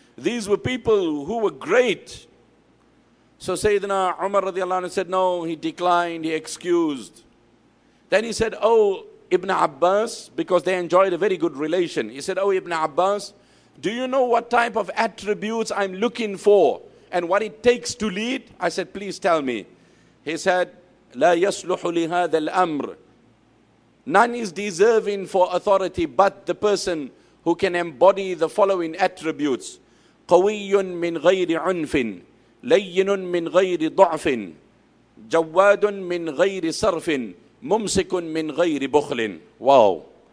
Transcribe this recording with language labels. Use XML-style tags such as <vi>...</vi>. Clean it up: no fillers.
<en>These were people who were great. So Sayyidina Umar radiallahu anhu said, no, he declined, he excused. Then he said, oh, Ibn Abbas, because they enjoyed a very good relation. He said, oh, Ibn Abbas, do you know what type of attributes I'm looking for and what it takes to lead? I said, please tell me. He said,</en> <ar>لا يصلح لهذا الأمر.</ar> <en>None is deserving for authority but the person who can embody the following attributes.</en> <ar>قوي من غير عنف. لين من غير ضعف. جواد من غير صرف. ممسك من غير بخل. Wow.</ar>